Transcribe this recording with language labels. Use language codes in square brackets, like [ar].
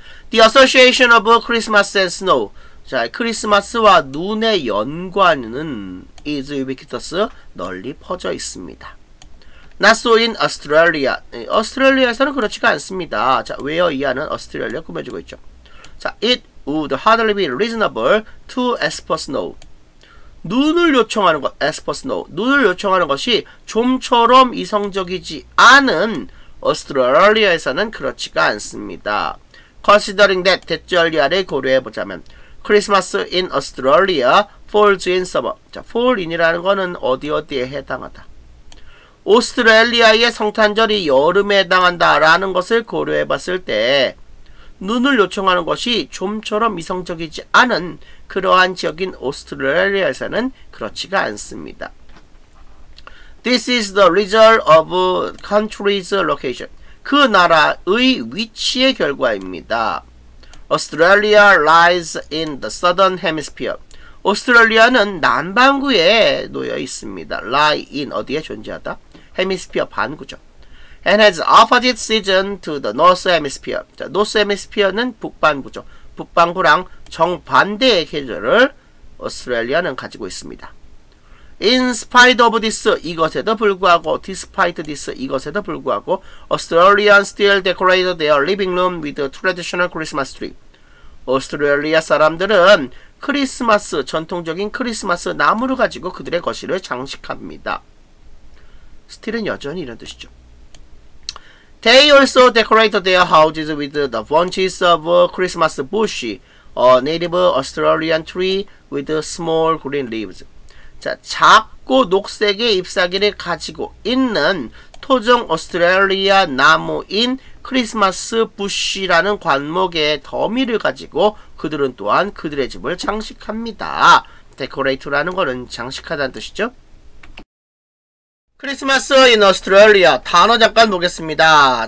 [en] The Association of Christmas and Snow. [ko] 자, 크리스마스와 눈의 연관은 [en] is ubiquitous, [ko] 널리 퍼져 있습니다. [en] Not so in Australia. [ko] 오스트레일리아에서는 그렇지가 않습니다. 자, where 이하는 Australia 꾸며주고 있죠. [en] 자, it would hardly be reasonable to ask for snow. [ko] 눈을 요청하는 것, [en] ask for snow. [ko] 눈을 요청하는 것이 좀처럼 이성적이지 않은 오스트레일리아에서는 그렇지가 않습니다. [en] Considering that, [ko] 대절리아를 고려해보자면 [en] Christmas in Australia falls in summer. [ko] 자, fall in이라는 거는 어디어디에 해당하다. 오스트레일리아의 성탄절이 여름에 해당한다라는 것을 고려해봤을 때 눈을 요청하는 것이 좀처럼 이성적이지 않은 그러한 지역인 오스트레일리아에서는 그렇지가 않습니다. [en] This is the result of country's location. [ko] 그 나라의 위치의 결과입니다. [en] Australia lies in the southern hemisphere. [ko] 오스트레일리아는 남반구에 놓여 있습니다. lie in 어디에 존재하다? hemisphere 반구죠. [en] And has opposite season to the north hemisphere. [ko] 자, north hemisphere는 북반구죠. 북반구랑 정반대의 계절을 오스트레일리아는 가지고 있습니다. [en] In spite of this, [ko] 이것에도 불구하고, [en] despite this, 이것에도 불구하고, Australians still decorate their living room with a traditional Christmas tree. [ko] 오스트레일리아 사람들은 크리스마스, 전통적인 크리스마스 나무를 가지고 그들의 거실을 장식합니다. Still은 여전히 이런 뜻이죠. [en] They also decorate their houses with the bunches of Christmas bush, a native Australian tree with small green leaves. [ko] 자, 작고 녹색의 잎사귀를 가지고 있는 토종 오스트레일리아 나무인 크리스마스 부시라는 관목의 더미를 가지고 그들은 또한 그들의 집을 장식합니다. Decorate라는 것은 장식하다는 뜻이죠. 크리스마스 인 오스트레일리아 단어 잠깐 보겠습니다.